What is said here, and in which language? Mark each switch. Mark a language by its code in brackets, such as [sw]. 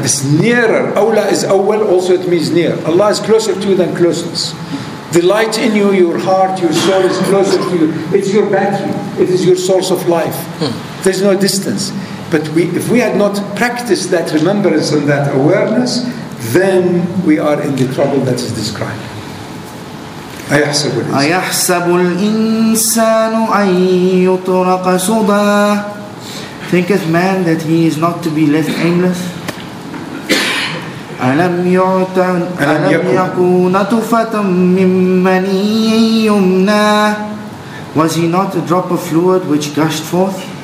[en] It's nearer. أَوْلَى is أول, also it means near. Allah is closer to you than closeness. The light in you, your heart, your soul is closer to you. It's your battery. It is your source of life. There's no distance. But if we had not practiced that remembrance and that awareness, then we are in the trouble that is described. [ar] أَيَحْسَبُ الْإِنسَانُ أَن يُطْرَقَ سُدًى. [en] Thinketh man that he is not to be left aimless? [ar] أَلَمْ يَكُ نَطْفَةً مِّن مَّنِيٍّ يُمْنَى. [en] Was he not a drop of fluid which gushed forth?